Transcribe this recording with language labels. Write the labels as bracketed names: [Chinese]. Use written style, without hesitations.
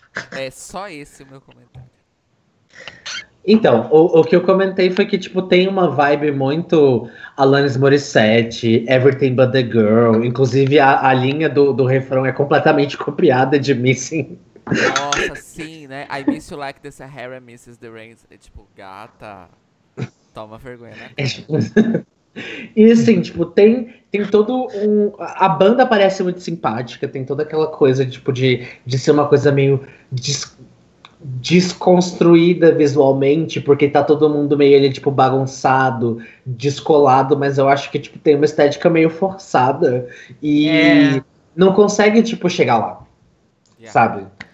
[Portuguese] É só esse o meu comentário. Então, o que eu comentei foi que, tipo, tem uma vibe muito Alanis Morissette, Everything But the Girl, inclusive a linha do refrão é completamente copiada de Missing. Nossa, sim, né? [English] I miss you like the Sahara misses the rains. [Portuguese] É tipo, gata, toma vergonha, né? E assim, tipo, tem todo um... A banda parece muito simpática, tem toda aquela coisa, tipo, de ser uma coisa meio desconstruída visualmente, porque tá todo mundo meio ali, tipo, bagunçado, descolado, mas eu acho que, tipo, tem uma estética meio forçada e não consegue, tipo, chegar lá, sabe?